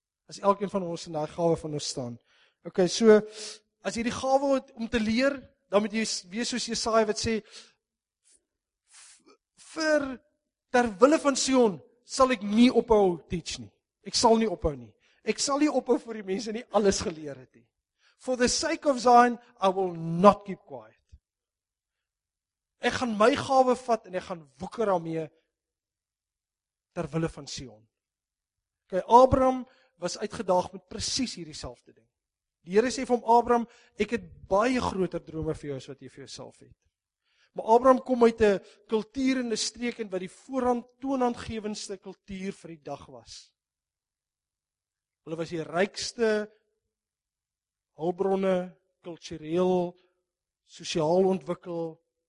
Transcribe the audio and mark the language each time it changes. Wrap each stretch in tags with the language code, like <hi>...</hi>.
<af>As elkeen van ons in daai gawe van ons staan. Okay, so, as jy die gawe het om te leer, dan moet jy wees soos Jesaja wat sê, vir ter wille van Sion, sal ek nie ophou teach nie. Ek sal nie ophou nie. Ek sal nie ophou vir die mense nie alles geleer het nie.</af> <en>For the sake of Zion, I will not keep quiet.</en> <af>Ek gaan my gawe vat en ek gaan woeker daarmee ter wille van Sion. Okay, Abraham was uitgedaag met presies hierdie selfde ding. Die Here sê vir hom, Abraham, ek het baie groter drome vir jou as wat jy vir jouself het. Maar Abraham kom uit 'n kultuur en 'n streek en wat die voorhand toonaangewendste kultuur vir die dag was. Hulle was die rykste hulpbronne, kultureel, sosiaal ontwikkel.</af>